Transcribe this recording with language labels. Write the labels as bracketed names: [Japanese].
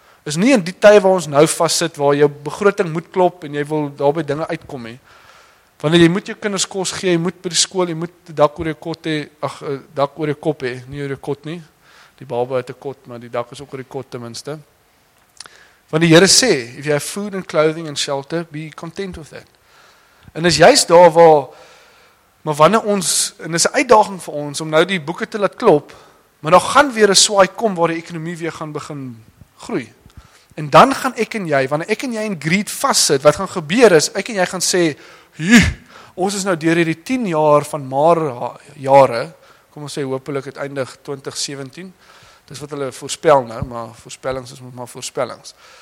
[Afrikaans] Is nie in die tye waar ons nou vastsit, waar jou begroting moet klop en jy wil daarby dinge uitkom hê. Wanneer jy moet jou kinders kos gee, jy moet by die skool, jy moet dak oor jou kop hê, nie oor jou kot nie. Die baba het 'n kot, maar die dak is ook oor die kot ten minste. Want die Here sê, [English] if you have food and clothing and shelter, be content with that. [Afrikaans] En is juist daar waar, maar wanneer ons, en is 'n uitdaging vir ons, om nou die boeke te laat klop, maar dan gaan weer 'n swaai kom, waar die ekonomie weer gaan begin groei. En dan gaan ek en jy, wanneer ek en jy in greed vastsit, wat gaan gebeur is, ek en jy gaan sê, ons is nou deur hierdie 10 jaar van maar jare, kom ons sê, hopelijk het eindig 2017, dis wat hulle voorspel nou, maar voorspellings is maar voorspellings.